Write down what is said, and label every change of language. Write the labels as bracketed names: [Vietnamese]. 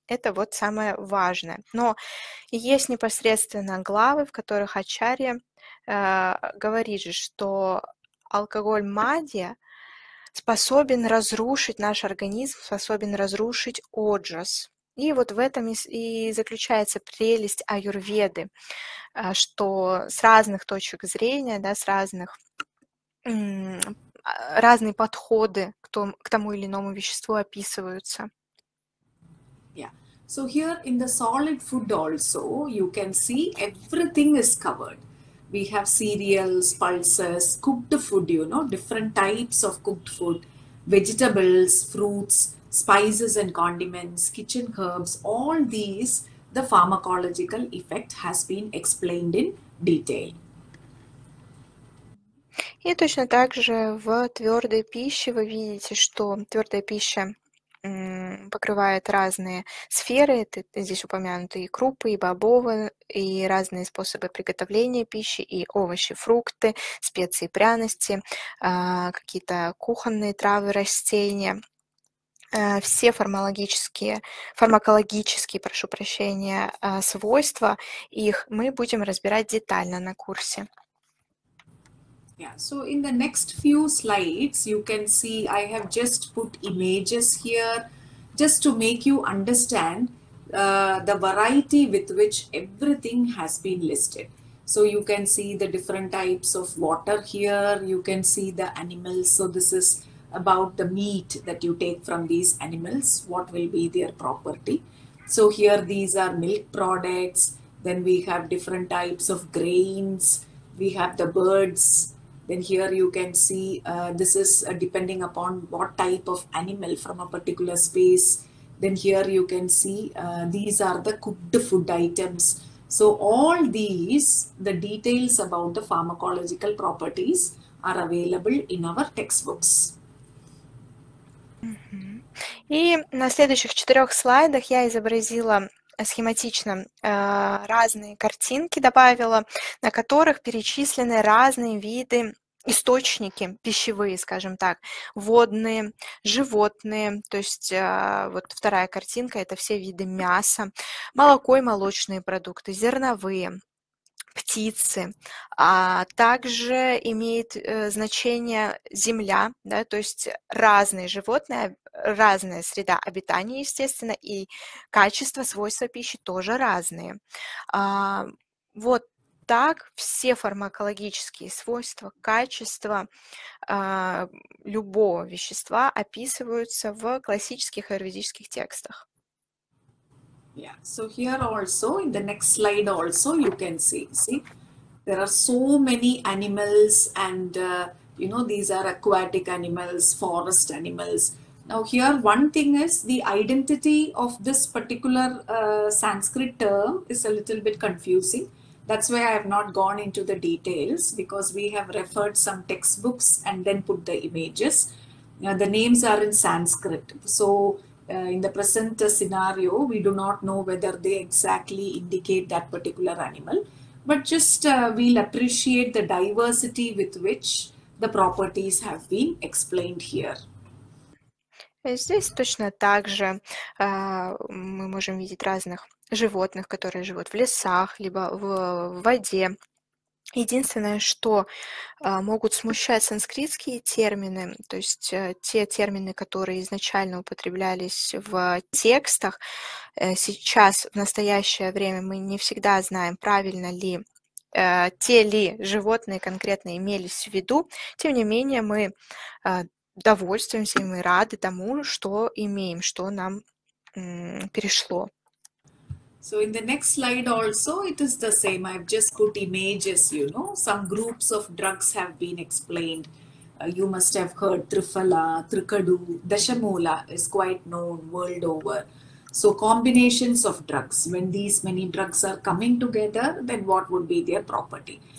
[Russian] Это вот самое важное. Но есть непосредственно главы, в которых Ачарья говорит же, что алкоголь мадья способен разрушить наш организм, способен разрушить оджас. И вот в этом и заключается прелесть аюрведы, что с разных точек зрения, да, с разных разные подходы к тому или иному веществу описываются. [English] Yeah. So here in the solid food also, you can see everything is covered. We have cereals, pulses, cooked food, you know, different types of cooked food, vegetables, fruits, spices and condiments, kitchen herbs, all these, the pharmacological effect has been explained in detail. [Russian] И точно так же в твердой пище вы видите, что твердая пища покрывает разные сферы. Это, здесь упомянуты и крупы, и бобовые, и разные способы приготовления пищи, и овощи, фрукты, специи, пряности, какие-то кухонные травы, растения. Все фармакологические свойства, их мы будем разбирать детально на курсе. [English] Yeah, so in the next few slides, you can see I have just put images here just to make you understand the variety with which everything has been listed. So you can see the different types of water here. You can see the animals. So this is about the meat that you take from these animals. What will be their property? So here these are milk products. Then we have different types of grains. We have the birds. then here you can see this is depending upon what type of animal from a particular space. Then here you can see these are the cooked food items. So all these, the details about the pharmacological properties are available in our textbooks. [Russian] И на следующих четырех слайдах я изобразила схематично разные картинки, добавила, на которых перечислены разные виды, источники пищевые, скажем так, водные, животные, то есть вот вторая картинка – это все виды мяса, молоко и молочные продукты, зерновые, птицы, а также имеет значение земля, да, то есть разные животные, разная среда обитания, естественно, и качество, свойства пищи тоже разные. Вот так все фармакологические свойства, качество любого вещества описываются в классических аюрведических текстах. [English] Yeah, so here also in the next slide also you can see there are so many animals and you know these are aquatic animals, forest animals. Now here one thing is the identity of this particular Sanskrit term is a little bit confusing. That's why I have not gone into the details because we have referred some textbooks and then put the images. Now, the names are in Sanskrit. So in the present scenario, we do not know whether they exactly indicate that particular animal, but just we'll appreciate the diversity with which the properties have been explained here. [Russian] Здесь точно так же мы можем видеть разных животных, которые живут в лесах, либо в воде. Единственное, что могут смущать санскритские термины, то есть те термины, которые изначально употреблялись в текстах, сейчас, в настоящее время, мы не всегда знаем, правильно ли те ли животные конкретно имелись в виду. Тем не менее, мы довольствуемся, мы рады тому, что имеем, что нам перешло. [English] So in the next slide also, it is the same. I've just put images, you know. Some groups of drugs have been explained. You must have heard Trifala, Trikadu, Dashamula is quite known world over. So combinations of drugs, when these many drugs are coming together, then what would be their property?